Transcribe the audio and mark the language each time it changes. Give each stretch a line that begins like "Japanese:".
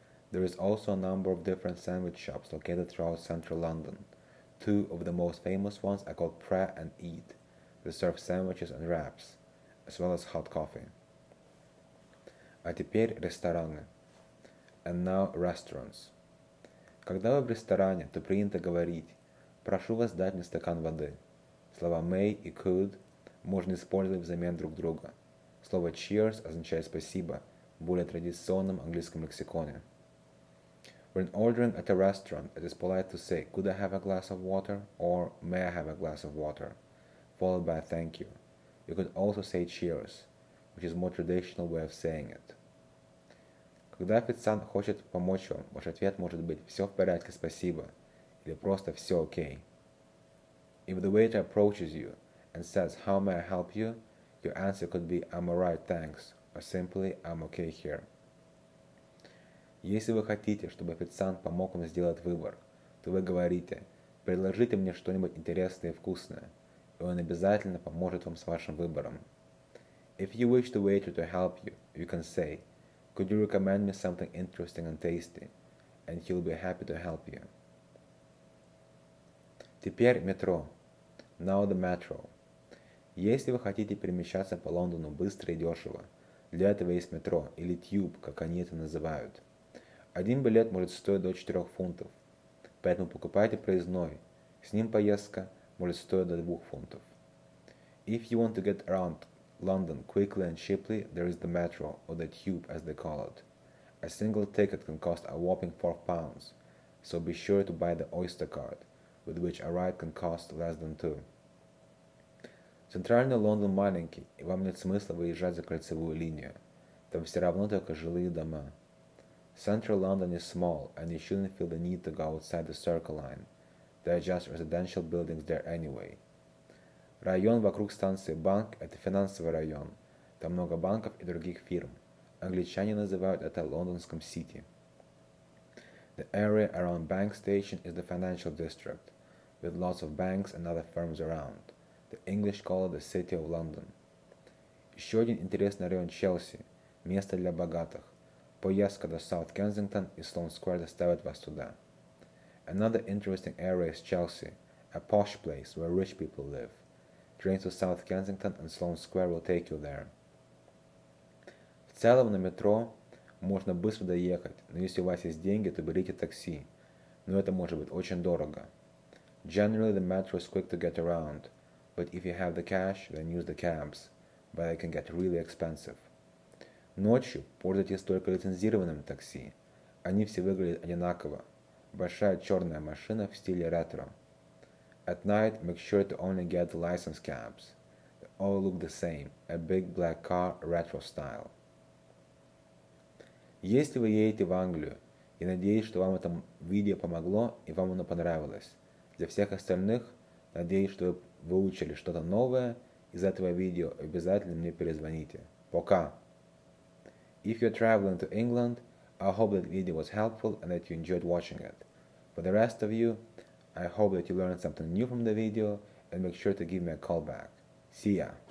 English: There is also a number of different sandwich shops located throughout central London. Two of the most famous ones are called Prayer and Eat. They serve sandwiches and wraps, as well as hot coffee.
Russian: А теперь рестораны.
English: And now restaurants.
Russian: Когда вы в ресторане, то принято говорить, прошу вас дать мне стакан воды. Слова may и could можно использовать взамен друг друга. Слово cheers означает спасибо в более традиционном английском лексиконе.
English: When ordering at a restaurant, it is polite to say could I have a glass of water or may I have a glass of water, followed by a thank you. You could also say cheers, which is a more traditional way of saying it.
Russian: Когда официант хочет помочь вам, ваш ответ может быть все в порядке, спасибо, или просто все окей.
English: If the waiter approaches you and says, how may I help you, your answer could be, I'm alright, thanks, or simply, I'm okay here.
Russian: Если вы хотите, чтобы официант помог вам сделать выбор, то вы говорите, предложите мне что-нибудь интересное и вкусное, и он обязательно поможет вам с вашим выбором.
English: If you wish the waiter to help you, you can say, could you recommend me something interesting and tasty, and he'll be happy to help you.
Russian: Теперь метро.
English: Now the metro.
Russian: Если вы хотите перемещаться по Лондону быстро и дешево, Для этого есть метро, или тюб, как они это называют. Один билет может стоить до 4 фунтов, поэтому покупайте проездной. С ним поездка может стоить до 2 фунтов.
English: If you want to get around London quickly and cheaply, there is the metro, or the tube, as they call it. A single ticket can cost a whopping £4, so be sure to buy the Oyster card, with which a ride can cost less than 2.
Russian: Центральный Лондон маленький, и вам нет смысла выезжать за кольцевую линию. Там все равно только жилые дома.
English: Central London is small, and you shouldn't feel the need to go outside the Circle Line. There are just residential buildings there anyway.
Russian: Район вокруг станции Банк – это финансовый район. Там много банков и других фирм. Англичане называют это Лондонским Сити.
English: The area around Bank Station is the financial district, with lots of banks and other firms around. The English call it the City of London.
Russian: Еще один интересный район – Челси, место для богатых. Поездка до South Kensington и Sloane Square доставят вас туда.
English: Another interesting area is Chelsea, a posh place where rich people live. Trains to South Kensington and Sloane Square will take you there.
Russian: В целом на метро можно быстро доехать, но если у вас есть деньги, то берите такси. Но это может быть очень дорого.
English: Generally the metro is quick to get around, but if you have the cash, then use the cabs, but they can get really expensive.
Russian: Ночью пользуйтесь только лицензированным такси. Они все выглядят одинаково. Большая черная машина в стиле ретро.
English: At night, make sure to only get the license cabs. They all look the same. A big black car, retro style.
Russian: Если вы едете в Англию, я надеюсь, что вам это видео помогло и вам оно понравилось. Для всех остальных, надеюсь, что вы выучили что-то новое из этого видео. Обязательно мне перезвоните. Пока!
English: If you're traveling to England, I hope that video was helpful and that you enjoyed watching it. For the rest of you, I hope that you learned something new from the video and make sure to give me a call back. See ya!